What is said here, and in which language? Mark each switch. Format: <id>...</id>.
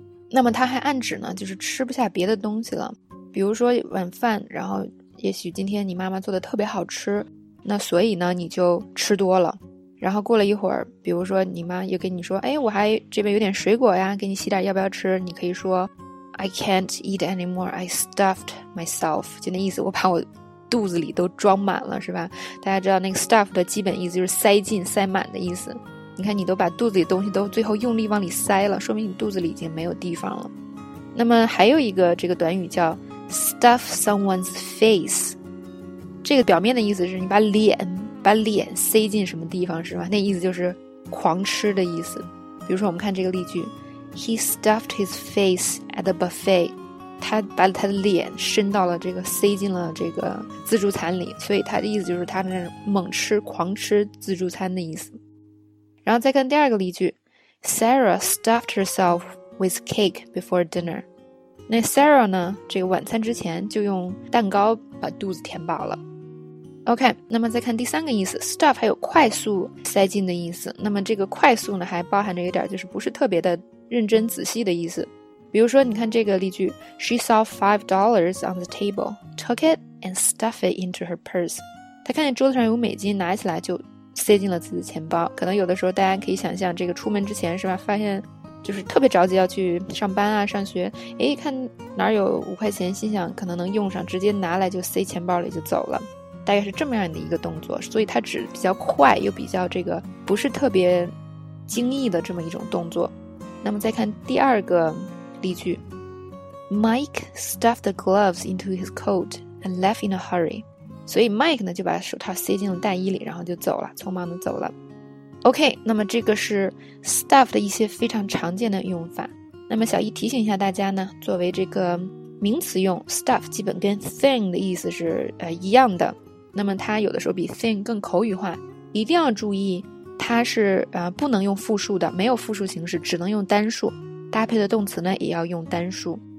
<zh>那么它还暗指呢，就是吃不下别的东西了。比如说晚饭，然后也许今天你妈妈做的特别好吃，那所以呢你就吃多了。然后过了一会儿，比如说你妈又跟你说，哎，我还这边有点水果呀，给你洗点，要不要吃？你可以说</zh> <en>I can't eat anymore. I stuffed myself.</en> <zh>就那意思，我把我肚子里都装满了，是吧？大家知道那个 stuff 的基本意思就是塞进、塞满的意思。你看，你都把肚子里东西都最后用力往里塞了，说明你肚子里已经没有地方了。那么还有一个这个短语叫 stuff someone's face. 这个表面的意思是你把脸塞进什么地方，是吧？那意思就是狂吃的意思。比如说，我们看这个例句。</zh> <en>He stuffed his face at the buffet.</en> <zh>他把他的脸伸到了这个，塞进了这个自助餐里。所以他的意思就是他那猛吃、狂吃自助餐的意思。然后再看第二个例句 ，</zh> <en>Sarah stuffed herself with cake before dinner.</en> <zh>那 Sarah 呢，这个晚餐之前就用蛋糕把肚子填饱了。 OK, 那么再看第三个意思 ，stuff 还有快速塞进的意思。那么这个快速呢，还包含着一点就是不是特别的。认真仔细的意思，比如说你看这个例句</zh> <en>She saw $5 on the table, took it and stuffed it into her purse.</en> <zh>她看见桌子上有美金，拿起来就塞进了自己的钱包。可能有的时候大家可以想象，这个出门之前是吧，发现就是特别着急要去上班啊上学，诶，看哪有5块钱，心想可能能用上，直接拿来就塞钱包里就走了，大概是这么样的一个动作。所以它指比较快又比较这个不是特别惊异的这么一种动作。那么再看第二个例句</zh> <en>Mike stuffed the gloves into his coat and left in a hurry.</en> <zh>所以 Mike 呢就把手套塞进了大衣里，然后就走了，匆忙的走了。 OK, 那么这个是 stuff 的一些非常常见的用法。那么小易提醒一下大家呢，作为这个名词用 stuff 基本跟 thing 的意思是一样的，那么它有的时候比 thing 更口语化，一定要注意它是不能用复数的，没有复数形式，只能用单数，搭配的动词呢也要用单数。</zh>